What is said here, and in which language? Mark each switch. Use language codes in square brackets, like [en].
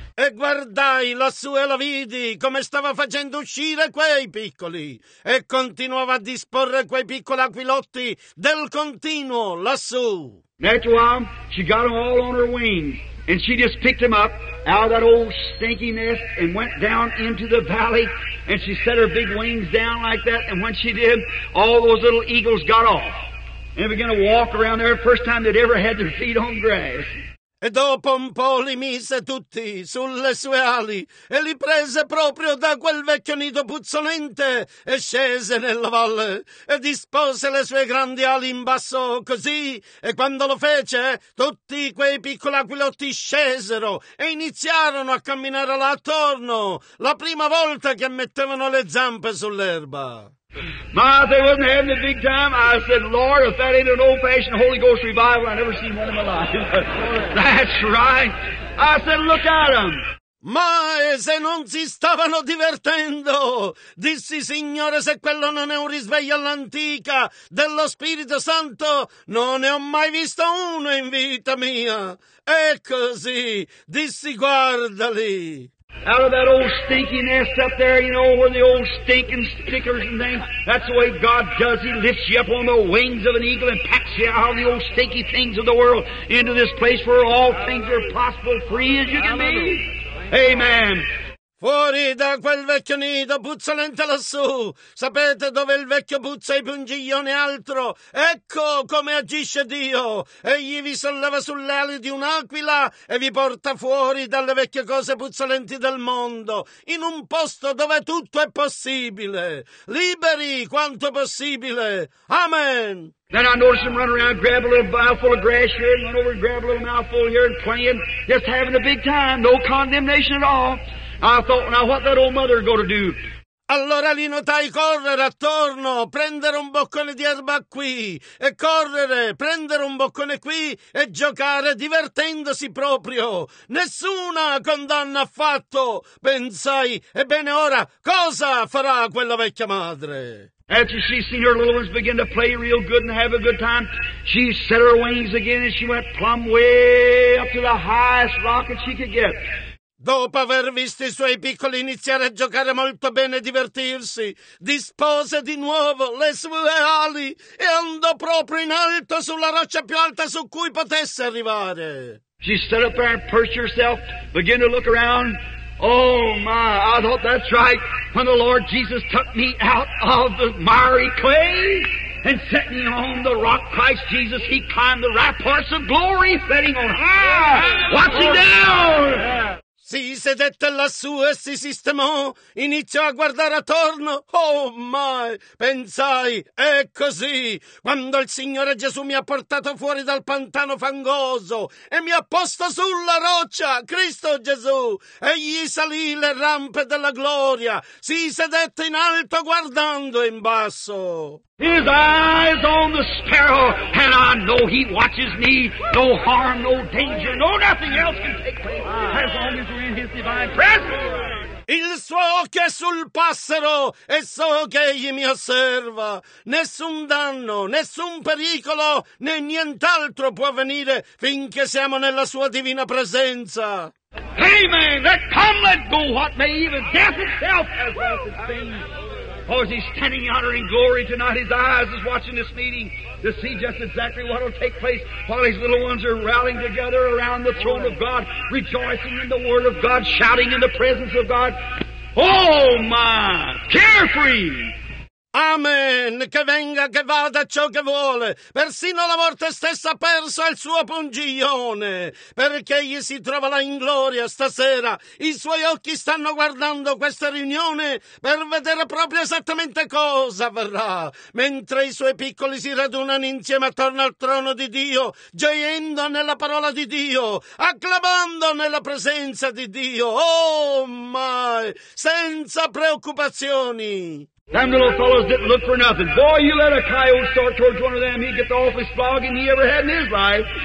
[it] E guardai lassù e la vidi come stava facendo uscire quei piccoli e continuava a disporre quei piccoli aquilotti del continuo lassù. [en] After a while, she got them all on her wings and she just picked them up out of that old stinky nest and went down into the valley and she set her big wings down like that and when she did, all those little eagles got off and began to walk around there, first time they'd ever had their feet on grass. [it] E dopo un po' li mise tutti sulle sue ali e li prese proprio da quel vecchio nido puzzolente e scese nella valle e dispose le sue grandi ali in basso così e quando lo fece tutti quei piccoli aquilotti scesero e iniziarono a camminare là attorno la prima volta che mettevano le zampe sull'erba. [en] Ma, they wasn't having a big time. I said, Lord, if that ain't an old-fashioned Holy Ghost revival, I've never seen one in my life. That's right. I said, look at them. [it] Ma, e se non si stavano divertendo? Dissi, Signore, se quello non è un risveglio all'antica dello Spirito Santo, non ne ho mai visto uno in vita mia. E così, dissi, guardali. [en] Out of that old stinky nest up there, you know, where the old stinking stickers and things, that's the way God does. He lifts you up on the wings of an eagle and packs you out of the old stinky things of the world into this place where all things are possible, free as you can be. Amen. [it] Fuori da quel vecchio nido puzzolente lassù, sapete dove il vecchio puzza i pungiglioni e altro, ecco come agisce Dio, egli vi solleva sulle ali di un'aquila e vi porta fuori dalle vecchie cose puzzolenti del mondo, in un posto dove tutto è possibile, liberi quanto possibile, amen. [en] Then I noticed him run around, grab a little mouthful of grass here, and run over and grab a little mouthful here and playing, just having a big time, no condemnation at all. I thought, now what that old mother going to do? [it] Allora li notai correre attorno, prendere un boccone di erba qui, e correre, prendere un boccone qui, e giocare divertendosi proprio. Nessuna condanna affatto, pensai. Ebbene ora, cosa farà quella vecchia madre? [en] After she seen her little ones begin to play real good and have a good time, she set her wings again and she went plumb way up to the highest rocket she could get. [it] Dopo aver visto i suoi piccoli iniziare a giocare molto bene e divertirsi, dispose di nuovo le sue ali e andò proprio in alto sulla roccia più alta su cui potesse arrivare. [en] She stood up there and perched herself, began to look around. Oh my, I thought that's right. When the Lord Jesus took me out of the miry clay and set me on the rock Christ Jesus, he climbed the rapids of glory, setting on high, watching down. [it] Si sedette alla sua e si sistemò, iniziò a guardare attorno. [en] Oh my! [it] Pensai, è così. Quando il Signore Gesù mi ha portato fuori dal pantano fangoso e mi ha posto sulla roccia, Cristo Gesù, egli salì le rampe della gloria, si sedette in alto guardando in basso. [en] His eyes on the sparrow, and I know he watches me. No harm, no danger, no nothing else can take place as long as we're in his divine presence. [it] Il suo occhio è sul passero e so che egli mi osserva. Nessun danno, nessun pericolo, né nient'altro può venire finché siamo nella sua divina presenza. [en] Amen. Let come, let go, what may even death itself as well as its thing. For as he's standing yonder in glory tonight, his eyes is watching this meeting to see just exactly what will take place while his little ones are rallying together around the throne of God, rejoicing in the word of God, shouting in the presence of God. Oh my, carefree! [it] Amen, che venga, che vada ciò che vuole, persino la morte stessa ha perso il suo pungiglione, perché egli si trova là in gloria stasera, i suoi occhi stanno guardando questa riunione per vedere proprio esattamente cosa avverrà, mentre i suoi piccoli si radunano insieme attorno al trono di Dio, gioiendo nella parola di Dio, acclamando nella presenza di Dio, [en] oh my, [it] senza preoccupazioni. [en] Them little fellows didn't look for nothing. Boy, you let a coyote start towards one of them, he'd get the awfulest flogging he ever had in his life.